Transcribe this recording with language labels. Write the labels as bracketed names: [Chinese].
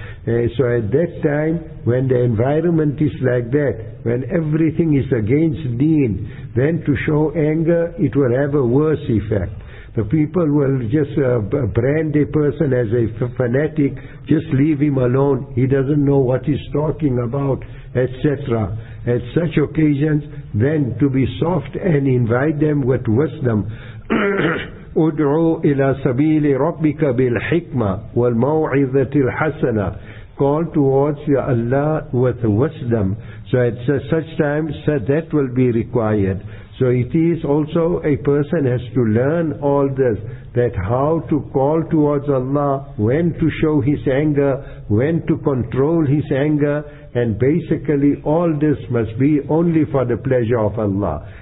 [English] So at that time, when the environment is like that, when everything is against deen, then to show anger, it will have a worse effect. The people will just brand a person as a fanatic, just leave him alone, he doesn't know what he's talking about, etc. At such occasions, then to be soft and invite them with wisdom. [Arabic] ادعو إلى سبيل ربك بالحكمة والموعظة الحسنة. [English] Call towards your Allah with wisdom. So at such times, so that will be required. So it is also a person has to learn all this, that how to call towards Allah, when to show his anger, when to control his anger, and basically all this must be only for the pleasure of Allah.